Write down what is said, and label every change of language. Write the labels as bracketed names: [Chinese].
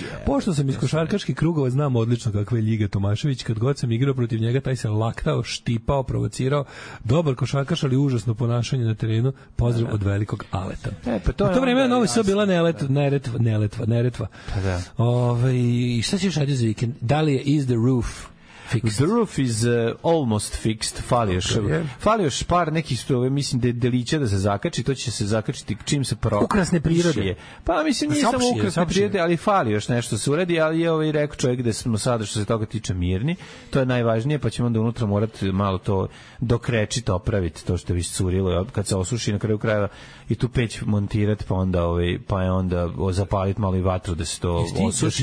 [Serbian] Pošto sam iz košarkaški krugova, znam odlično kakve je Ljiga Tomašević, kad god sam igrao protiv njega, taj se laktao, štipao, provocirao, dobar košarkaš, ali užasno ponašanje na terenu, pozdrav od velikog Aleta. Pa to u to vreme je Novi Sad bila neretva. Pa i šta ćeš raditi za vikend? Da li je [English] Is the Roof fixed? The Roof is almost fixed. [Serbian] Fali još par nekih stove, mislim, deliće da se zakači, to će se zakačiti čim se pro... Ukrasne prirode. Pa mislim, nije samo ukrasne prirode, ali fali još nešto se uredi, ali je ovaj rekao čovjek da smo sada što se toga tiče mirni, to je najvažnije, pa ćemo onda unutra morati malo to dokrečiti, opraviti to što bi curilo, kad se osuši na kraju krajeva i tu peć montirati, pa onda zapaliti malo i vatru da se to osuši.